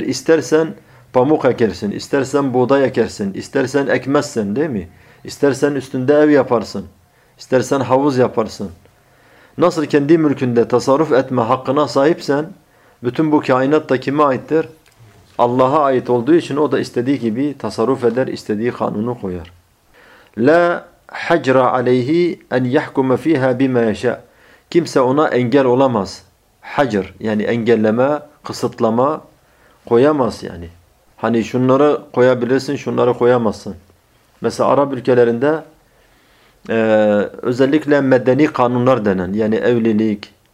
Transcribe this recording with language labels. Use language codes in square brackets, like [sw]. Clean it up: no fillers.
[tr] İstersen pamuk ekersin, istersen buğday ekersin, istersen ekmezsin, değil mi? İstersen üstünde ev yaparsın, istersen havuz yaparsın. Nasıl kendi mülkünde tasarruf etme hakkına sahipsen, bütün bu kainat da kime aittir? Allah'a ait olduğu için o da istediği gibi tasarruf eder, istediği kanunu koyar. [ar] La حجر عليه أن يحكم فيها بما يشاء. [tr] Kimse ona engel olamaz. حجر yani engelleme, kısıtlama koyamaz yani. Hani şunları koyabilirsin, şunları koyamazsın. Mesela Arap ülkelerinde özellikle medeni kanunlar denen, yani evlilik,